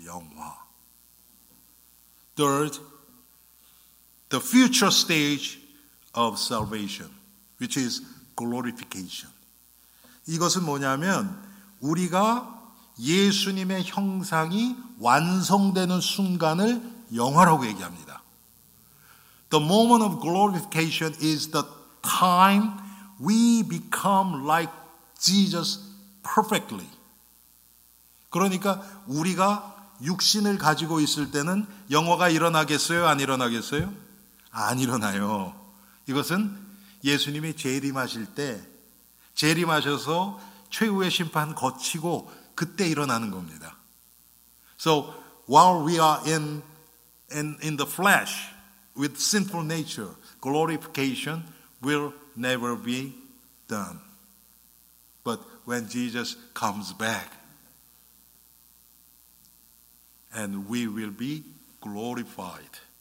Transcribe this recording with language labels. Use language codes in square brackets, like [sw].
[ko] 영화. [en] Third, the future stage of salvation, which is glorification. [ko] 이것은 뭐냐면 우리가 예수님의 형상이 완성되는 순간을 영화라고 얘기합니다. [en] The moment of glorification is the time we become like Jesus perfectly. [ko] 그러니까 우리가 육신을 가지고 있을 때는 영화가 일어나겠어요? 안 일어나겠어요? 안 일어나요. 이것은 예수님이 재림하실 때, 재림하셔서 최후의 심판 거치고 그때 일어나는 겁니다. [en] So while we are in the flesh with sinful nature, glorification will never be done. But when Jesus comes back, and we will be glorified.